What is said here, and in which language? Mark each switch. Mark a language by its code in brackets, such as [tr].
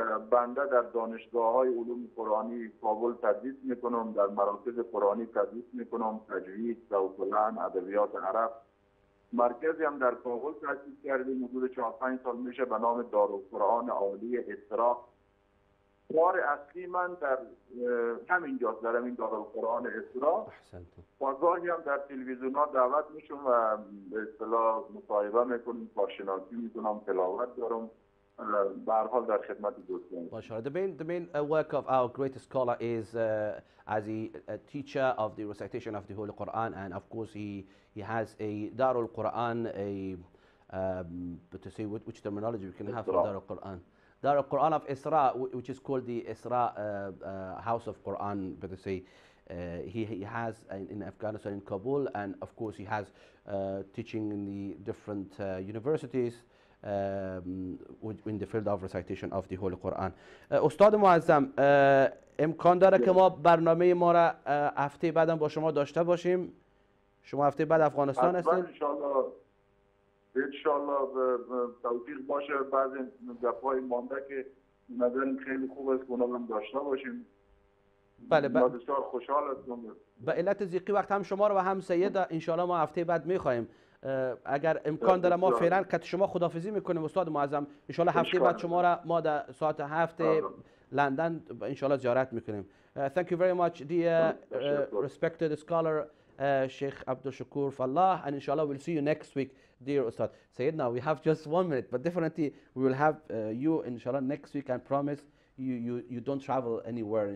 [fa] بنده در دانشگاه های علوم قرآنی کابل تدریس میکنم در مراکز قرآنی تدریس میکنم تجوید، سوکلن، ادبیات عرب مرکزی هم در کابل تدریس کردیم حدود 4-5 سال میشه به نام دارالقرآن عالی اصراق کار اصلی من در همین جاست در همین دارالقرآن اصراق بازاری هم در تلویزیون ها دعوت میشم و به اصطلاح مصاحبه میکنم کارشناسی میکنم تلاوت دارم [en] The main work of our greatest scholar is as a teacher of the recitation of the Holy Quran, and of course he has a Darul Quran, a but to say which terminology we can have for Darul Quran, Darul Quran of Isra, which is called the Isra House of Quran, but to say. He has in Afghanistan, in Kabul, and of course he has teaching in the different universities in the field of recitation of the Holy Quran. [fa] استاد معظم امکان داره که ما برنامه ما را هفته بعدم با شما داشته باشیم؟ شما هفته بعد افغانستان هستید؟ ان شاء الله توفیق باشه بعضی دفعه مانده که نظرم خیلی خوب است اونا هم داشته باشیم. بله بسیار خوشحال هستم به علت زیقی وقت هم شما رو و هم سید انشاءالله ما هفته بعد میخواییم اگر امکان داره ما فعلا کت شما خدافزی میکنیم استاد معظم انشاءالله هفته بعد شما رو ما در ساعت هفته لندن انشاءالله زیارت میکنیم [en] Thank you very much dear respected scholar Sheikh Abdul Shokour Fallah and inshallah we'll see you next week dear Ustad Sayed now we have just 1 minute but definitely we will have you inshallah next week and promise You don't travel anywhere.